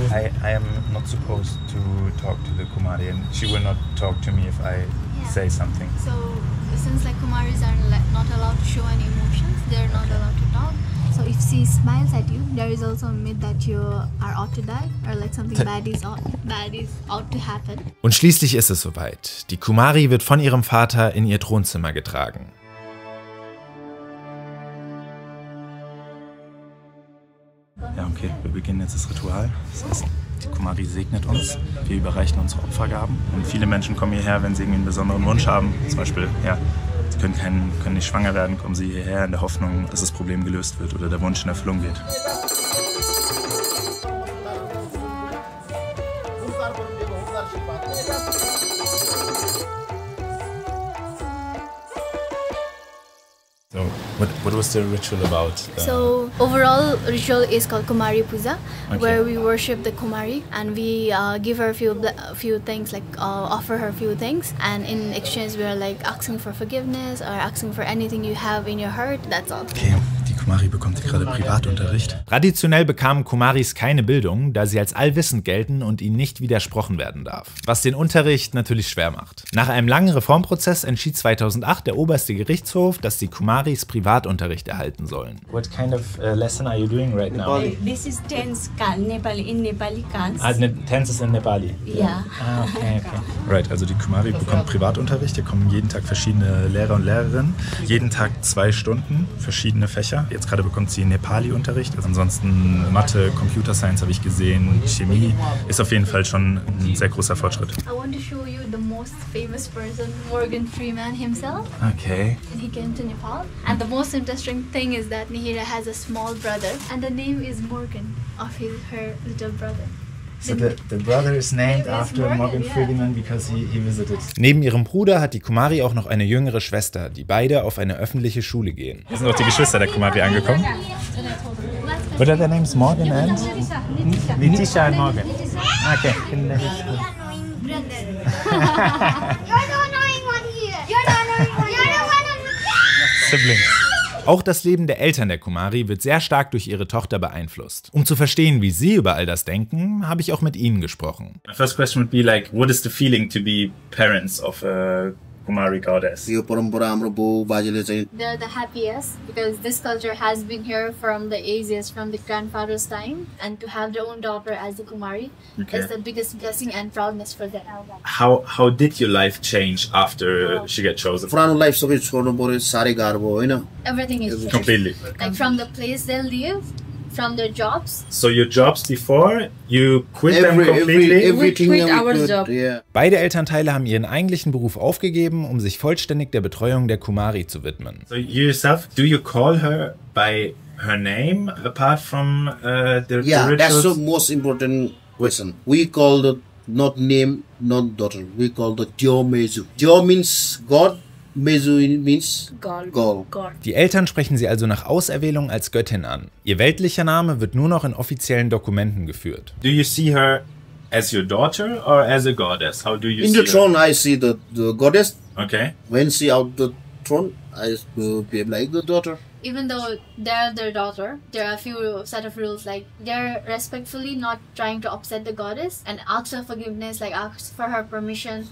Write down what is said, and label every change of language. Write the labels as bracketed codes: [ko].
[en] I am not supposed to talk to the Kumari and she will not talk to me if I say something. So since like Kumaris are not allowed to show any emotions, they're not allowed to talk. So if she smiles at you, there is also a myth that you are ought to die or like something bad is ought to happen. [de] Und schließlich ist es soweit. Die Kumari wird von ihrem Vater in ihr Thronzimmer getragen. Okay, wir beginnen jetzt das Ritual. Das heißt, die Kumari segnet uns. Wir überreichen unsere Opfergaben. Und viele Menschen kommen hierher, wenn sie irgendwie einen besonderen Wunsch haben. Zum Beispiel, sie können nicht schwanger werden, kommen sie hierher in der Hoffnung, dass das Problem gelöst wird oder der Wunsch in Erfüllung geht. [en] What was the ritual about? So overall ritual is called Kumari Puja, okay. Where we worship the Kumari and we give her a few things, like offer her a few things. And in exchange, we are like asking for forgiveness or asking for anything you have in your heart. That's all. [de] Okay. Kumari bekommt gerade Privatunterricht. Traditionell bekamen Kumaris keine Bildung, da sie als allwissend gelten und ihnen nicht widersprochen werden darf. Was den Unterricht natürlich schwer macht. Nach einem langen Reformprozess entschied 2008 der oberste Gerichtshof, dass die Kumaris Privatunterricht erhalten sollen. [en] What kind of lesson are you doing right now? This is tense, Nepali, in Nepali kanz. Tense is in Nepali? Yeah. Okay. [de] Right, also die Kumari bekommt Privatunterricht. Hier kommen jeden Tag verschiedene Lehrer und Lehrerinnen. Jeden Tag 2 Stunden, verschiedene Fächer. Jetzt gerade bekommt sie Nepali-Unterricht. Also ansonsten Mathe, Computer Science habe ich gesehen, Chemie. Ist auf jeden Fall schon ein sehr großer Fortschritt. [en] I want to show you the most famous person, Morgan Freeman himself. Okay. And he came to Nepal. And the most interesting thing is that Nihira has a small brother. And the name is Morgan of her little brother. So the brother is named after Morgan Freeman because he visited. [de] Neben ihrem Bruder hat die Kumari auch noch eine jüngere Schwester, die beide auf eine öffentliche Schule gehen. Sind auch die Geschwister der Kumari angekommen? [en] What are their names? Morgan and? Nitisha and Morgan. Okay. You're the annoying brother. You're the annoying one here. You're the annoying one. Siblings. [de] Auch das Leben der Eltern der Kumari wird sehr stark durch ihre Tochter beeinflusst. Um zu verstehen, wie sie über all das denken, habe ich auch mit ihnen gesprochen. [en] My first question would be like, what is the feeling to be parents of a Kumari goddess? They're the happiest because this culture has been here from the ages, from the grandfather's time, and to have their own daughter as the Kumari is the biggest blessing and proudness for them. How did your life change after she got chosen? [ne] Purano life sabhi chhodnu paryo, sare garbo, [en] you know. Everything is different. Completely. Like from the place they live, from their jobs. So your jobs before, you quit them completely? We quit our job. Yeah. [de] Beide Elternteile haben ihren eigentlichen Beruf aufgegeben, um sich vollständig der Betreuung der Kumari zu widmen. [en] So you yourself, do you call her by her name apart from the rituals? That's the most important question. We call the not name, not daughter. We call the Jo Mezu. Jo means God. Mezu means God. [de] Die Eltern sprechen sie also nach Auserwählung als Göttin an. Ihr weltlicher Name wird nur noch in offiziellen Dokumenten geführt. [en] Do you see her as your daughter or as a goddess? How do you in see the throne her? I see the goddess. Okay. When she out the throne, I will be like the daughter. Even though they're their daughter, there are a few set of rules, like they're respectfully not trying to upset the goddess and ask her forgiveness, like ask for her permission.